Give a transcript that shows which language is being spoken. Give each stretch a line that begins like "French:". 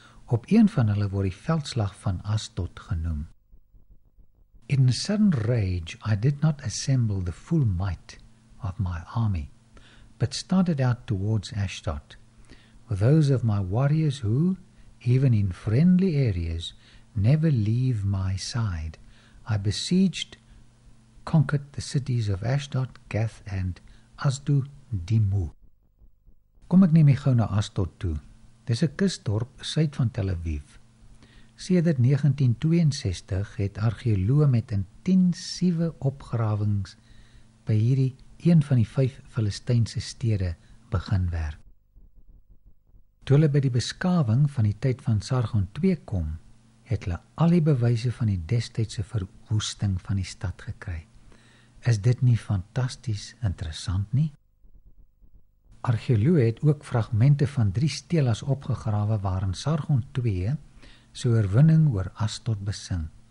Afrikaans: Op een van hulle word die veldslag van Astot genoem.
English: In sudden rage I did not assemble the full might of my army, but started out towards Ashdod, with those of my warriors who, even in friendly areas, never leave my side. I besieged, conquered the cities of Ashdod, Gath and Asdod-Dimu.
Afrikaans: Kom ek neem jy gauw na Astot toe. Dis 'n kusdorp suid van Tel Aviv. Sedert 1962 het argeoloë met intensiewe opgrawings by hierdie een van die 5 Filistynse stede begin werk. Toe hulle by die beskawing van die tyd van Sargon II kom, het hulle al die bewyse van die destydse verwoesting van die stad gekry. Is dit nie fantasties interessant nie? Argeoloë het ook fragmente van 3 stelas opgegrawe waarin Sargon II sy oorwinning oor Astot besing.